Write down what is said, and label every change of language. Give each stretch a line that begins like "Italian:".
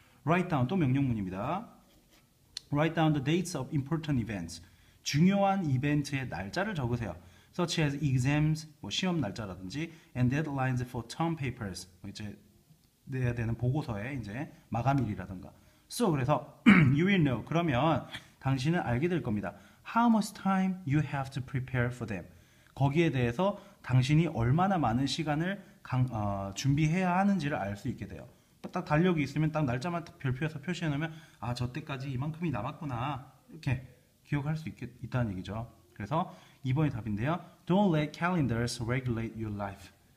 English: Write down,
Korean: 또 명령문입니다.
English: Write down the dates of important events.
Korean: 중요한 이벤트의 날짜를 적으세요.
English: Such as exams,
Korean: 뭐 시험 날짜라든지,
English: and deadlines for term papers.
Korean: 뭐 이제 내야 되는 보고서의 이제 마감일이라든가.
English: So,
Korean: 그래서,
English: you will know.
Korean: 그러면 당신은 알게 될 겁니다.
English: How much time you have to prepare for them?
Korean: 거기에 대해서 당신이 얼마나 많은 시간을 준비해야 하는지를 알수 있게 돼요. 딱 달력이 있으면 딱 날짜만 딱 별표에서 표시해 놓으면 아, 저 때까지 이만큼이 남았구나. 이렇게 기억할 수 있다는 얘기죠. 그래서 2번이 답인데요.
English: Don't let calendars regulate your life.